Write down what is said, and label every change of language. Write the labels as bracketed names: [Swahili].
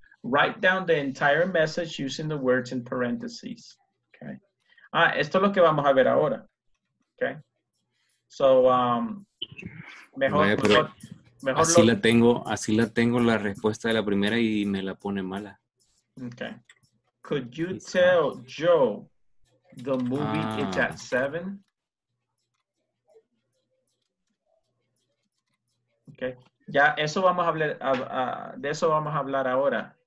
[English] Write down the entire message using the words in parentheses. Okay. [Spanish] Ah, esto es lo que vamos a ver ahora. Okay. So, mejor así lo... así la tengo la respuesta de la primera y me la pone mala. [English] Okay. Could you tell Joe the movie is at 7? Okay. [Spanish] Ya eso vamos a hablar de eso vamos a hablar ahora.